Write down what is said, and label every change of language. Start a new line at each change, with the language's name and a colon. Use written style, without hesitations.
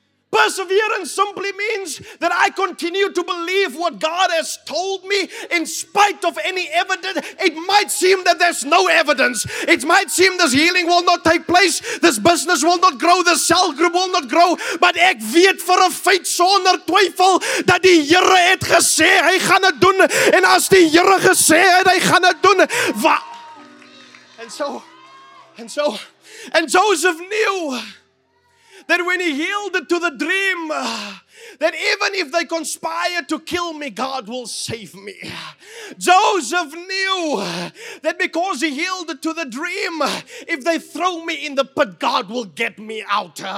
English: Perseverance simply means that I continue to believe what God has told me in spite of any evidence. It might seem that there's no evidence. It might seem this healing will not take place. This business will not grow. This cell group will not grow.
Afrikaans: But ek weet vir 'n feit sonder twyfel dat die Here het gesê hy gaan dit doen. En as die Here gesê het hy gaan dit doen.
English: And Joseph knew that when he yielded to the dream, that even if they conspire to kill me, God will save me. Joseph knew that because he yielded to the dream, if they throw me in the pit, God will get me out.